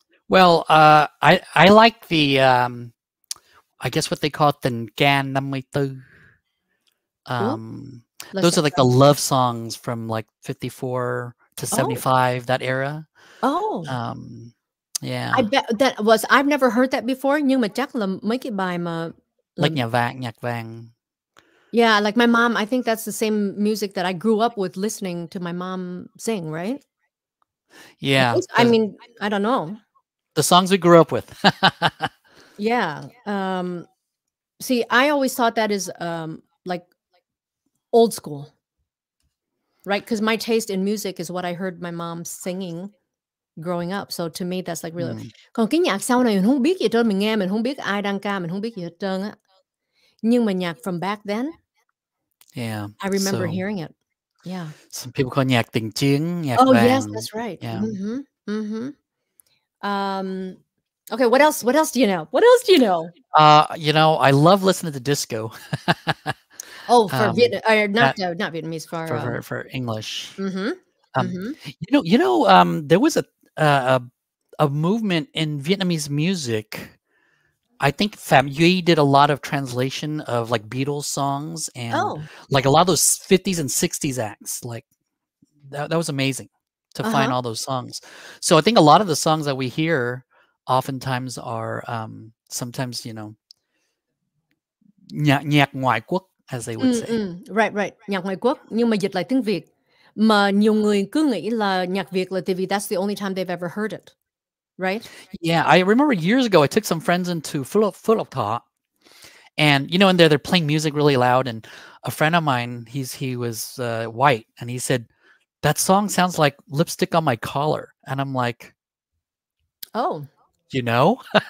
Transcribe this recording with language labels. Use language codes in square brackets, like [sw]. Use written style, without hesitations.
[en] Well, I like the, I guess what they call it, the Ngan Nam Mai Tu. Those are like the love songs from like 54 to 75, that era. Oh. Yeah. I bet that was, I've never heard that before. [vi] Nhưng mà chắc là mấy cái bài mà... [en] Like Nhạc Vàng, Nhạc Vàng. Yeah, like my mom, I think that's the same music that I grew up with listening to my mom sing, right? Yeah. I don't know. The songs we grew up with. Yeah. See, I always thought that is like old school, right? Because my taste in music is what I heard my mom singing growing up. So to me, that's like really. [vi] Còn cái nhạc sau này mình không biết gì hết, mình nghe mình không biết ai đang ca, mình không biết gì hết trơn á. Nhưng mà nhạc [en] from back then, yeah, I remember hearing it. Yeah. Some people call nhạc tình chiến, nhạc vàng. Oh yes, that's right. Yeah. Okay, what else? What else do you know? What else do you know? You know, I love listening to disco. Oh, for not Vietnamese, for English. Mm-hmm. You know, there was a movement in Vietnamese music. I think Pham Duy did a lot of translation of like Beatles songs and like a lot of those 50s and 60s acts. Like that was amazing. To find all those songs. So I think a lot of the songs that we hear oftentimes are sometimes, you know, nhạc ngoại quốc, as they would say. Right. [vi] Nhạc ngoại quốc, nhưng mà dịch lại tiếng Việt. Mà nhiều người cứ nghĩ là nhạc Việt là TV, [en] that's the only time they've ever heard it, right? Yeah, I remember years ago, I took some friends into Phu Lộc Thọ. And, you know, and they're playing music really loud. And a friend of mine, he was white, and he said, "That song sounds like Lipstick on My Collar." And I'm like, oh, you know?